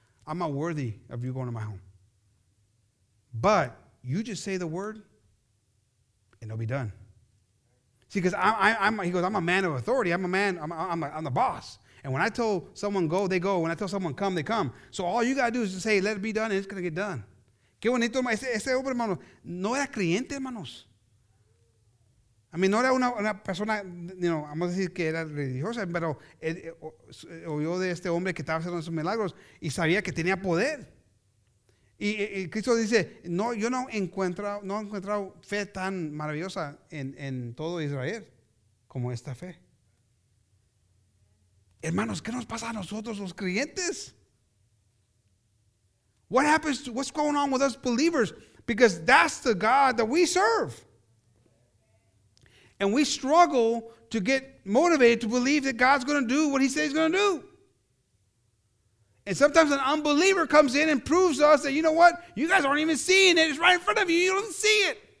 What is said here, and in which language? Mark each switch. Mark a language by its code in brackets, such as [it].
[en] I'm not worthy of you going to my home. But you just say the word and it'll be done. See, because I'm a man of authority. I'm the boss. And when I tell someone go, they go. When I tell someone come, they come. So all you gotta do is just say, let it be done, and it's gonna get done. [es] Qué bonito, ese hombre, hermano, no era cliente, hermanos. [en] I mean, [es] no era una persona, you know, vamos a decir que era religiosa, pero oyó de este hombre que estaba haciendo esos milagros y sabía que tenía poder. Y Cristo dice, yo no he encontrado fe tan maravillosa en todo Israel como esta fe. Hermanos, ¿qué nos pasa a nosotros los creyentes? [en] What's going on with us believers? Because that's the God that we serve. And we struggle to get motivated to believe that God's going to do what he says he's going to do. And sometimes an unbeliever comes in and proves to us that, you know what? You guys aren't even seeing it. It's right in front of you. You don't see it.